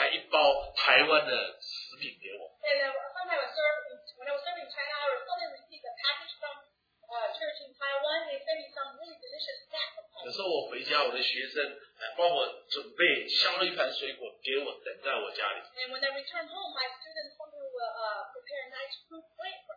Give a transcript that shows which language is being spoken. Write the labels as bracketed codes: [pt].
[zh] 我在中国大陆侍奉，有些时候我突然间那个包裹，哇！某一个弟兄姐妹寄来一包台湾的食品给我。 [en] And when I was serving in China, I was suddenly received a package from a church in Taiwan. They sent me some really delicious snack. [zh] 有时候我回家，我的学生帮我准备削了一盘水果给我，等在我家里。 [en] And when I return home, my students come to prepare a nice fruit plate for